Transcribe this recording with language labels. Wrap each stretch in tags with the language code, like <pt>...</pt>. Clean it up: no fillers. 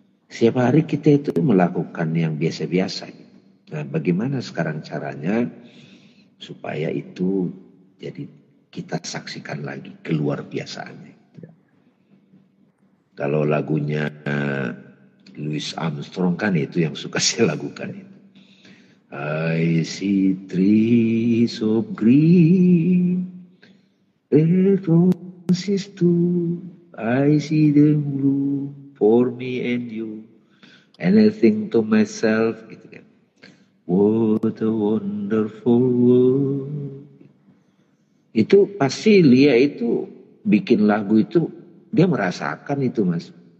<id>Setiap hari kita itu melakukan yang biasa-biasa. Nah, bagaimana sekarang caranya supaya itu jadi kita saksikan lagi keluar biasaannya. Kalau lagunya Louis Armstrong kan itu yang suka saya lakukan itu.</id> <en>I see trees of green, red roses too, I see them blue for me and you, and I think to myself</en> <id>gitu kan.</id> <en>What a wonderful world.</en> <id>Itu pasti Lia itu bikin lagu itu, dia merasakan itu Mas.</id>